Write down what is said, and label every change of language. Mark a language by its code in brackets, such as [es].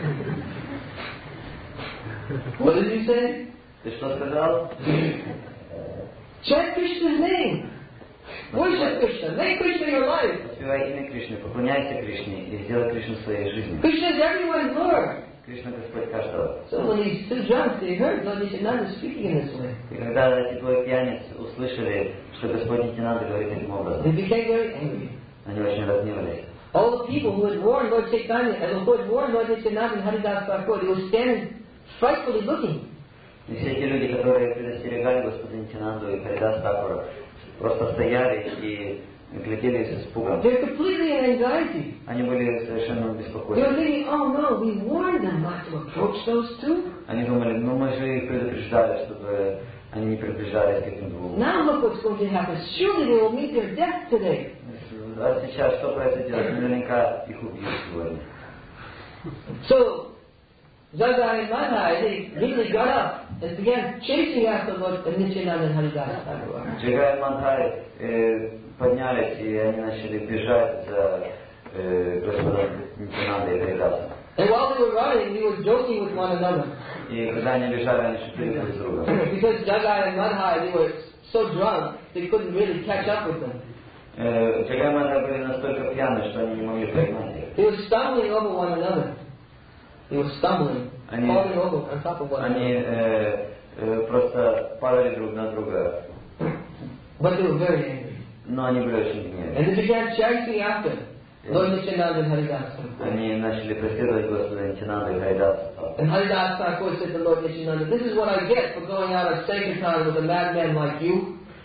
[en] Huh? What did you say? [ru] Ты что сказал? [en] Chant Krishna's name. Worship Krishna. Make Krishna your life. [ru] Воспевай имя Кришны. Поклоняйся Кришне. И сделай Кришну своей жизнью. [en] Krishna is everyone's Lord. [ru] Кришна Господь каждого. [en] So when these two drunks, they heard Lord Nityananda speaking in this way. [ru] И когда эти двое пьяниц услышали, что Господь Нитинанда говорит таким образом, [en] they became very angry. [ru] Они очень разгневались. [en] All the people who had warned Lord Chaitanya and who had warned Lord Nityananda and Haridas Thakur, they were standing frightfully looking. [ru] И все эти люди, которые предостерегали Господа Нитинанду и Харидас Такура, просто стояли и глядели с испугом. [en] They're completely in anxiety. [ru] Они были совершенно беспокоены. [en] They're thinking, oh no, we warned them not to approach those two. [ru] Они думали, ну мы же их предупреждали, чтобы они не приближались к этим двум. [en] Now look what's going to happen. Surely they will meet their death today. [ru] А сейчас что произойдет? Наверняка их убьют сегодня. [en] So, Zagai and Madhai, they really got up and began chasing after Lord Nityananda and Haridas Thakura. [ru] Поднялись, и они начали бежать за Господом Нитинандой и Харидасом. [en] And while they were running, they were joking with one another. [ru] И когда они бежали, они шутили друг с другом. [en] Because Jagai and Madhai, they were so drunk, they couldn't really catch up with them. [ru] Jagai and Madhai были настолько пьяны, что они не могли поймать их. [en] They were stumbling over one another. They were stumbling, [ru] они, [en] falling over on top of one another. [ru] Они просто падали друг на друга. [en] But they were very angry. [ru] Но они были очень гневны. [en] And they began chasing after Lord Nityananda and Haridas Thakur. [ru] Они начали преследовать Господа Нитинанду и Харидас Thakur. [en] And Haridas Thakur said to Lord Nityananda, this is what I get for going out of Sankirtan with a madman like you.